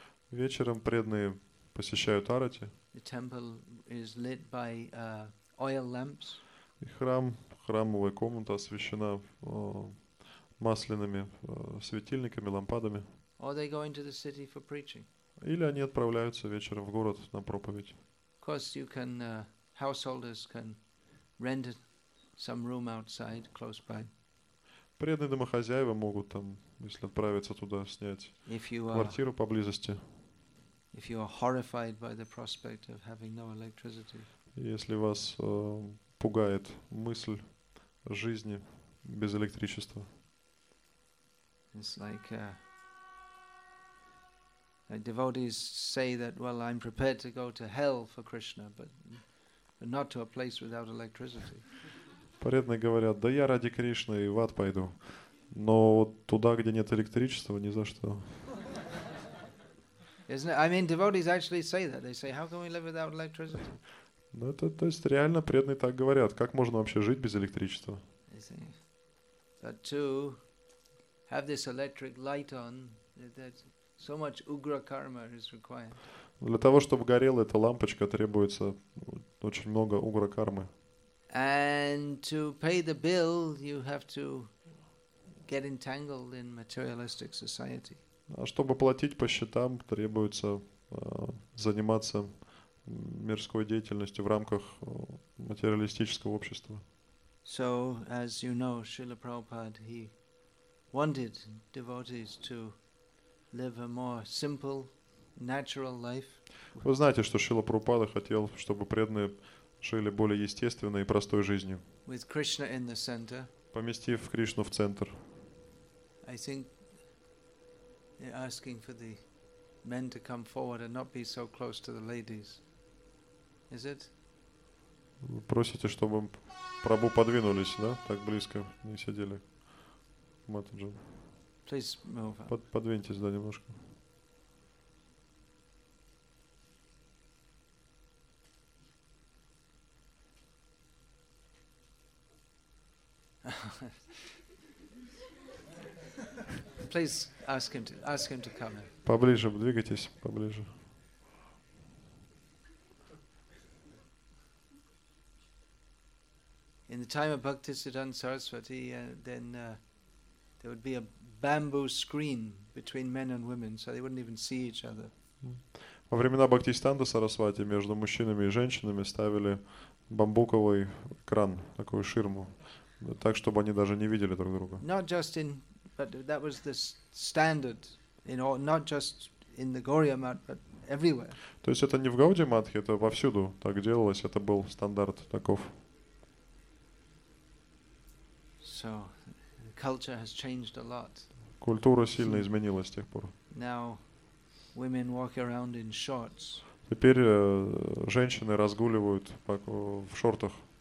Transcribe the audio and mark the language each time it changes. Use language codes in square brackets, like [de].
[ru] Вечером преданные посещают арати. [en] The temple is lit by oil lamps. [ru] И храм, храмовая комната освещена масляными светильниками, лампадами. [en] Or they go into the city for preaching. [ru] Или они отправляются вечером в город на проповедь. [en] Of course, you can householders can rent some room outside close by. [ru] Преданные домохозяева могут там, если отправиться туда, снять квартиру поблизости. [en] If you are horrified by the prospect of having no electricity. [ru] Если вас пугает мысль жизни без электричества. [en] It's like devotees say that, well, I'm prepared to go to hell for Krishna, but not to a place without electricity. [ru] Преданные говорят, да я ради Кришны и в ад пойду. Но вот туда, где нет электричества, ни за что. [en] Devotees actually say that. They say, how can we live without electricity? [ru] Ну, это, то есть, реально преданные так говорят. Как можно вообще жить без электричества? [en] But to have this electric light on, that so much ugra karma is required. [ru] Для того, чтобы горела эта лампочка, требуется очень много угра кармы. [en] And to pay the bill, you have to get entangled in materialistic society. [ru] А чтобы платить по счетам, требуется заниматься мирской деятельностью в рамках материалистического общества. [en] So, as you know, Srila Prabhupada, he wanted devotees to live a more simple, natural life. [ru] Вы знаете, что Шрила Прабхупада хотел, чтобы преданные жили более естественной и простой жизнью. [en] With Krishna in the center. [ru] Поместив Кришну в центр. [en] I think asking for the men to come forward and not be so close to the ladies. Is it? [ru] Просите, чтобы прабу подвинулись, да, так близко не сидели. Матаджи. [en] Please move. [ru] Подвиньтесь, да, немножко. [en] Please ask him to come. [ru] Поближе, двигайтесь, поближе. [en] In the time of Bhaktisiddhanta Saraswati, there would be a bamboo screen between men and women, so they wouldn't even see each other. [ru] Во времена Бхактисиддханты Сарасвати между мужчинами и женщинами ставили бамбуковый экран, такую ширму, так чтобы они даже не видели друг друга. [en] Not just in, but that was the standard, you know, not just in the Gaudiya Math, but everywhere. [ru] То есть это не в Гауди Матхе, это повсюду так делалось, это был стандарт таков. [en] So, the culture has changed a lot. [ru] Культура сильно изменилась с тех пор. [en] Now, women walk around in shorts. [ru] Теперь женщины разгуливают в шортах.